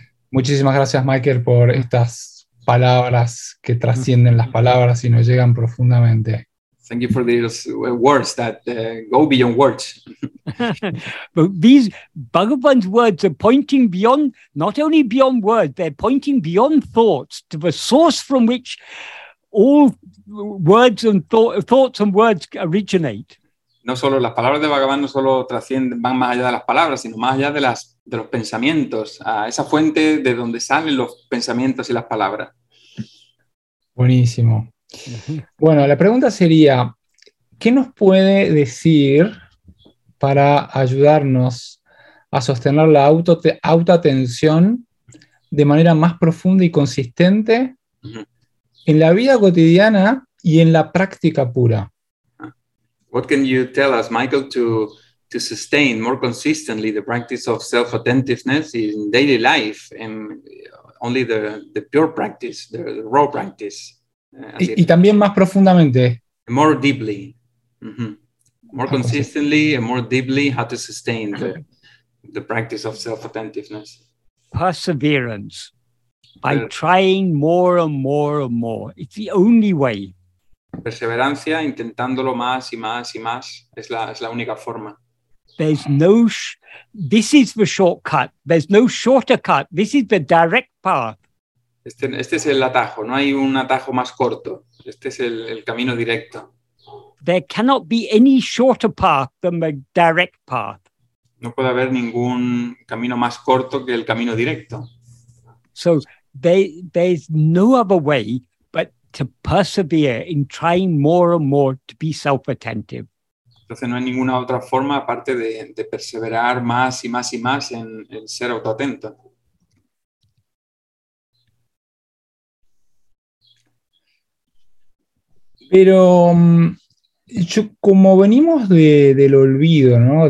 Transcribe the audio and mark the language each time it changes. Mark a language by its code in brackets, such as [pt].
[es] Muchísimas gracias, Michael, por estas palabras que trascienden las palabras y nos llegan profundamente. [en] Thank you for these words that go beyond words. But these Bhagavan's words are pointing beyond, not only beyond words, they're pointing beyond thoughts to the source from which all words and thoughts and words originate. [es] No solo las palabras de Bhagavan no solo trascienden, van más allá de las palabras, sino más allá de los pensamientos, a esa fuente de donde salen los pensamientos y las palabras. Buenísimo. Bueno, la pregunta sería, ¿qué nos puede decir para ayudarnos a sostener la autoatención de manera más profunda y consistente en la vida cotidiana y en la práctica pura? [en] What can you tell us, Michael, to sustain more consistently the practice of self-attentiveness in daily life and only the pure practice, the raw practice? [es] Y también más profundamente. [en] More deeply. Mm-hmm. More consistently and more deeply, how to sustain the practice of self-attentiveness. Perseverance. By trying more and more and more. It's the only way. [es] Perseverancia, intentándolo más y más y más, es la única forma. [en] There's no, this is the shortcut. There's no shorter cut. This is the direct path. [es] Este es el atajo. No hay un atajo más corto. Este es el camino directo. [en] There cannot be any shorter path than the direct path. [es] No puede haber ningún camino más corto que el camino directo. [en] So there's no other way but to persevere in trying more and more to be self-attentive. [es] Entonces no hay ninguna otra forma aparte de perseverar más y más y más en el ser autoatento. Pero yo, como venimos del olvido, ¿no?